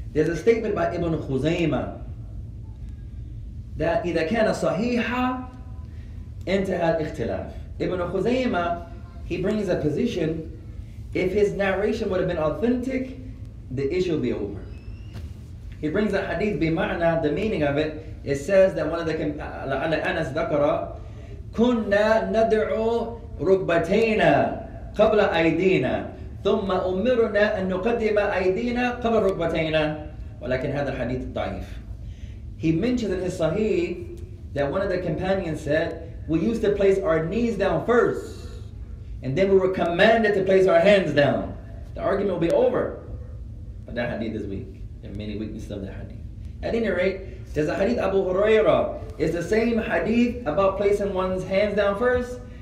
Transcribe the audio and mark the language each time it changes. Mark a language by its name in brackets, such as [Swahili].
[English] There's a statement by Ibn Khuzaymah that [Arabic] إِذَا كَانَ صَحِيحًا إِنْتَهَى الْإِخْتِلَافِ. [English] Ibn Khuzaymah, he brings a position, if his narration would have been authentic, the issue would be over. He brings a hadith بِمَعْنَى, the meaning of it. It says that one of the [Arabic] لَعَلَى أَنَسْ ذَكَرَ كُنَّا نَدْعُ رُكْبَتَيْنَا قَبْلَ أَيْدِينَا ثم أمرنا أن نقدم أيدينا قبل ركبتينا ولكن هذا الحديث ضعيف. [English] He mentioned in his Sahih that one of the companions said we used to place our knees down first and then we were commanded to place our hands down. The argument will be over. But that hadith is weak. There are many weaknesses of that hadith. At any rate, there's a hadith Abu Hurairah. It's the same hadith about placing one's hands down first.